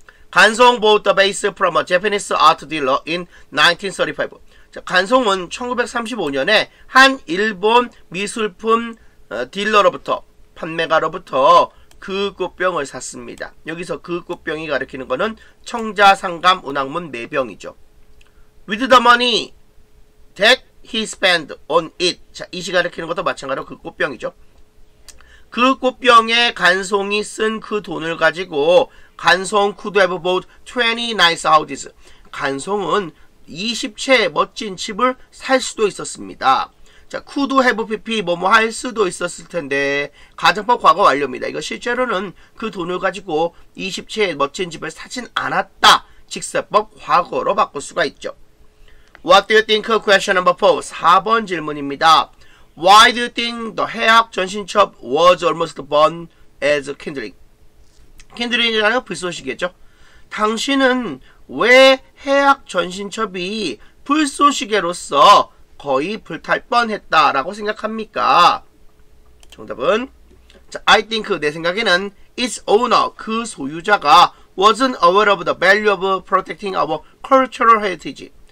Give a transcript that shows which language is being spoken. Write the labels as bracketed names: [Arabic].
[English] 간송 bought the base from a Japanese art dealer in 1935. [Korean] 자, 간송은 1935년에 한 일본 미술품 딜러로부터, 판매가로부터 그 꽃병을 샀습니다. 여기서 그 꽃병이 가리키는 것은 청자 상감 운항문 매병이죠. [English] With the money that he spent on it. [Korean] 자, 이 시 가리키는 것도 마찬가지로 그 꽃병이죠. 그 꽃병에 간송이 쓴 그 돈을 가지고 간송 [English] could have bought 20 nice houses. [Korean] 간송은 20채 멋진 집을 살 수도 있었습니다. 자, [English] could have pp [Korean] 뭐뭐 할 수도 있었을 텐데 가정법 과거 완료입니다. 이거 실제로는 그 돈을 가지고 20채 멋진 집을 사진 않았다. 직설법 과거로 바꿀 수가 있죠. [English] What do you think? Question number 4. [Korean] 4번 질문입니다. [English] Why do you think the 해악 전신첩 was almost burned as kindling? [Korean] kindling이라는 불쏘시개죠. 당신은 왜 해악 전신첩이 불쏘시개로서 거의 불탈 뻔했다라고 생각합니까? 정답은 [English] I think, [Korean] 내 생각에는 [English] its owner, [Korean] 그 소유자가 [English] wasn't aware of the value of protecting our cultural heritage.